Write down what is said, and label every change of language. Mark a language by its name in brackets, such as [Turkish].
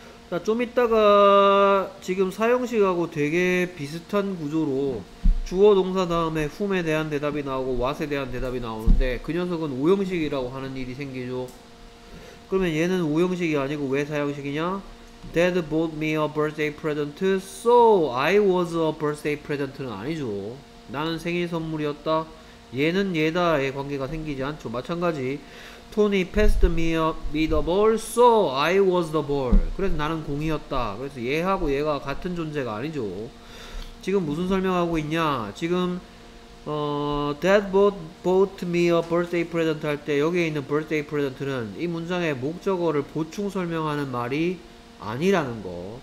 [Korean] 자, 좀 이따가 지금 사형식하고 되게 비슷한 구조로 주어 동사 다음에 whom에 대한 대답이 나오고 what에 대한 대답이 나오는데 그 녀석은 5형식이라고 하는 일이 생기죠. 그러면 얘는 5형식이 아니고 왜 4형식이냐? [English] Dad bought me a birthday present, so I was a birthday present는 아니죠. [Korean] 나는 생일 선물이었다. 얘는 얘다의 관계가 생기지 않죠. 마찬가지. [English] Tony passed me the ball, so I was the ball. [Korean] 그래서 나는 공이었다. 그래서 얘하고 얘가 같은 존재가 아니죠. 지금 무슨 설명하고 있냐? 지금 [English] Dad bought me a birthday present [Korean] 할 때 여기에 있는 birthday present는 이 문장의 목적어를 보충 설명하는 말이 아니라는 거.